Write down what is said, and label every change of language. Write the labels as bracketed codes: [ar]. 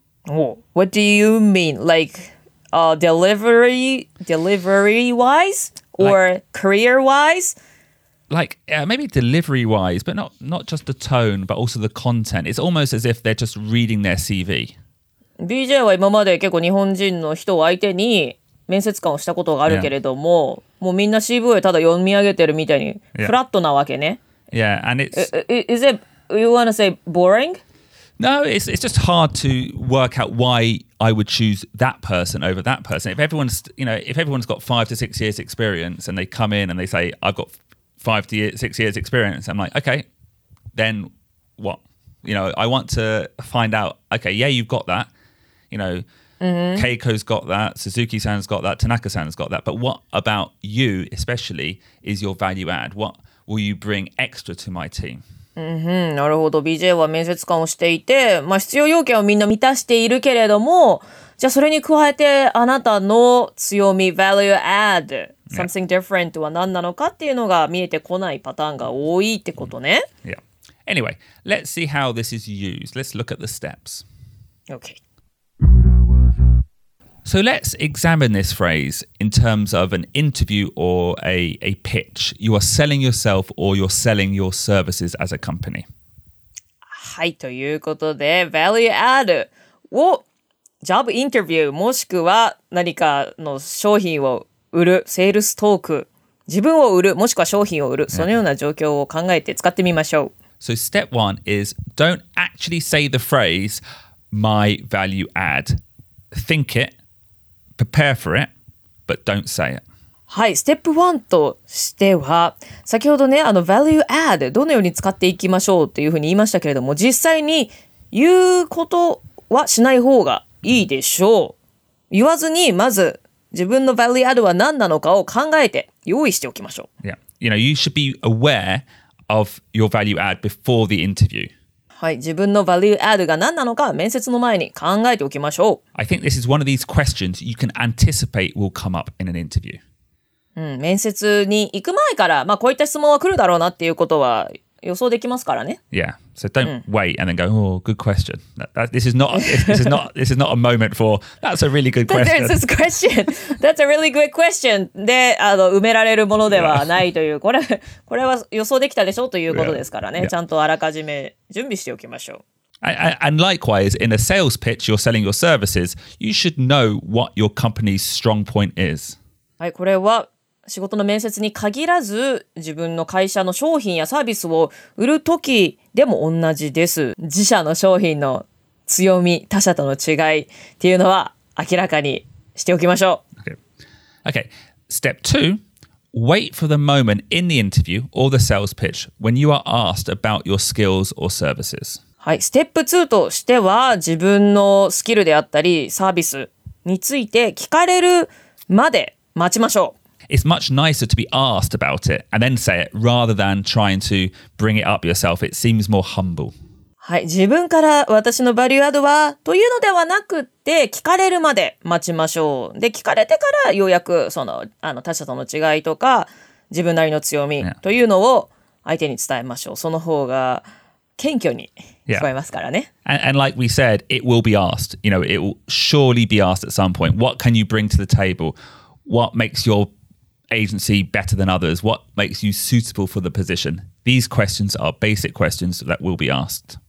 [en] Oh, what do you mean? Like, delivery wise or like, career wise? Like, maybe delivery-wise, but not just the tone, but also the content. It's almost as if they're just reading their CV. [ja] BJ は今まで結構日本人の人を相手に面接官をしたことがあるけれども、yeah. もうみんな CV をただ読み上げてるみたいに、yeah. フラットなわけね。 [en] Yeah, and it's... Is it, you want to say boring? No, it's just hard to work out why I would choose that person over that person. If everyone's, you know, if everyone's got 5 to 6 years experience and they come in and they say, I've got... 5 to 6 years experience. I'm like, okay, then what? You know, I want to find out, okay, yeah, you've got that. You know,、mm-hmm. Keiko's got that, Suzuki-san's got that, Tanaka-san's got that. But what about you, especially, is your value add? What will you bring extra to my team?、 [ja] Mm-hmm. なるほど。 BJ は面接官をしていて、まあ、必要要件をみんな満たしているけれども、じゃあそれに加えてあなたの強み、value add。 [en] Something different [ja] は何なのかっていうのが見えてこないパターンが多いってことね。 [en] Yeah. Anyway, let's see how this is used. Let's look at the steps. Okay. So let's examine this phrase in terms of an interview or a pitch. You are selling yourself or you're selling your services as a company. [ja] はい、ということで、value add をジョブインタビューもしくは何かの商品を売る、セールストーク、自分を売る、もしくは商品を売る、そのような状況を考えて使ってみましょう。 [en] So step one is don't actually say the phrase my value add. Think it, prepare for it, but don't say it. [ja] はい、ステップ1としては、先ほどね、あの value add、どのように使っていきましょうというふうに言いましたけれども、実際に言うことはしない方がいいでしょう。言わずにまず、自分の value add は何なのかを考えて用意しておきましょう。 [en] Yeah. You know, you should be aware of your value add before the interview. [ja] はい、自分の value add が何なのか面接の前に考えておきましょう。 [en] I think this is one of these questions you can anticipate will come up in an interview. [ja] うん、面接に行く前から、まあ、こういった質問は来るだろうなっていうことは予想できますからね。 [en] Yeah. So don't wait and then go, oh, good question. This is not a moment for, that's a really good question. That's a really good question. [ja] で、あの、埋められるものではないという、これは予想できたでしょうということですからね。Yeah. ちゃんとあらかじめ準備しておきましょう。 [en] And likewise, in a sales pitch, you're selling your services, you should know what your company's strong point is. [ja] はい、これは仕事の面接に限らず、自分の会社の商品やサービスを売るときでも同じです。自社の商品の強み、他社との違いっていうのは明らかにしておきましょう。 [en] Okay. Okay. Step 2. Wait for the moment in the interview or the sales pitch when you are asked about your skills or services. はい、ステップ2としては自分のスキルであったりサービスについて聞かれるまで待ちましょう。 It's much nicer to be asked about it and then say it rather than trying to bring it up yourself. It seems more humble. [ja] はい、自分から私のバリューアドはというのではなくて聞かれるまで待ちましょう。で、聞かれてからようやくあの他者との違いとか自分なりの強みというのを相手に伝えましょう。その方が謙虚に聞こえますからね。 [en] And like we said, it will be asked. You know, it will surely be asked at some point. What can you bring to the table? What makes your agency better than others? What makes you suitable for the position? These questions are basic questions that will be asked.